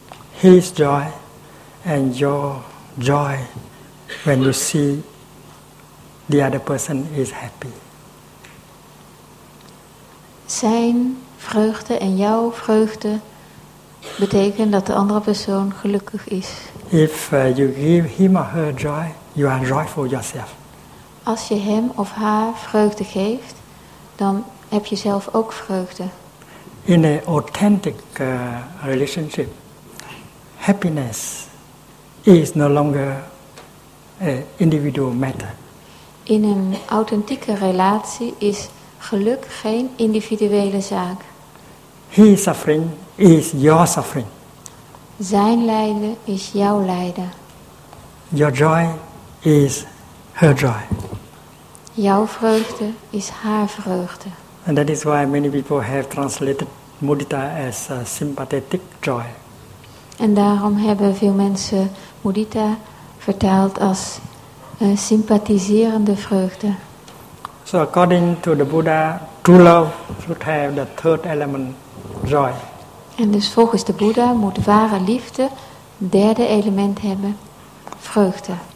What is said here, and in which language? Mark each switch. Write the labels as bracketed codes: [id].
[en] His joy and your joy when you see the other person is happy. [nl] Zijn vreugde en jouw vreugde betekent dat de andere persoon gelukkig is. [en] If you give him or her joy, you are joyful yourself. [nl] Als je hem of haar vreugde geeft, dan heb je zelf ook vreugde. [en] In an authentic relationship, happiness is no longer an individual matter. [nl] In een authentieke relatie is geluk geen individuele zaak. [en] His suffering is your suffering. [nl] Zijn lijden is jouw lijden. [en] Your joy is her joy. [nl] Jouw vreugde is haar vreugde. [en] And that is why many people have translated mudita as a sympathetic joy. [nl] En daarom hebben veel mensen mudita vertaald als een sympathiserende vreugde. [en] So according to the Buddha, true love should have the third element, joy. [nl] En dus volgens de Boeddha moet ware liefde derde element hebben, vreugde.